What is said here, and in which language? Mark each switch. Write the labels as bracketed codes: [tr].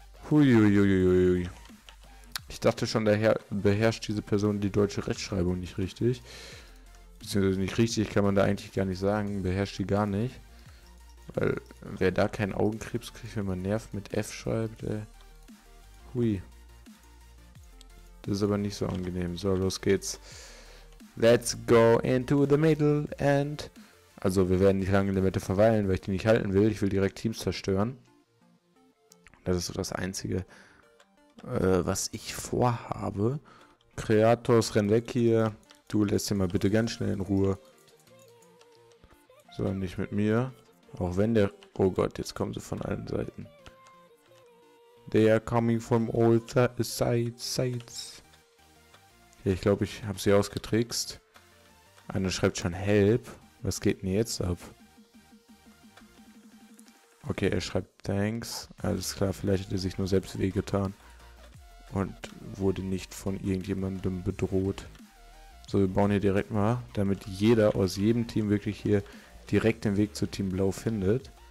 [de] Huiuiuiui. Ich dachte schon, beherrscht diese Person die deutsche Rechtschreibung nicht richtig. Beziehungsweise nicht richtig kann man da eigentlich gar nicht sagen. Beherrscht die gar nicht. Weil wer da keinen Augenkrebs kriegt, wenn man Nerv mit F schreibt, ey. Hui. Das ist aber nicht so angenehm. So, los geht's. [en] Let's go into the middle and... [de] Also, wir werden nicht lange in der Mitte verweilen, weil ich die nicht halten will. Ich will direkt Teams zerstören. Das ist so das Einzige, was ich vorhabe. Kreatos, renn weg hier. Du lässt ihn mal bitte ganz schnell in Ruhe. So, nicht mit mir. Auch wenn der... Oh Gott, jetzt kommen sie von allen Seiten. [en] They are coming from all sides. [de] Ich glaube, ich habe sie ausgetrickst. Einer schreibt schon Help. Was geht denn jetzt ab? Okay, er schreibt Thanks. Alles klar, vielleicht hat er sich nur selbst wehgetan. Und wurde nicht von irgendjemandem bedroht. So, wir bauen hier direkt mal, damit jeder aus jedem Team wirklich hier direkt den Weg zu Team Blau findet.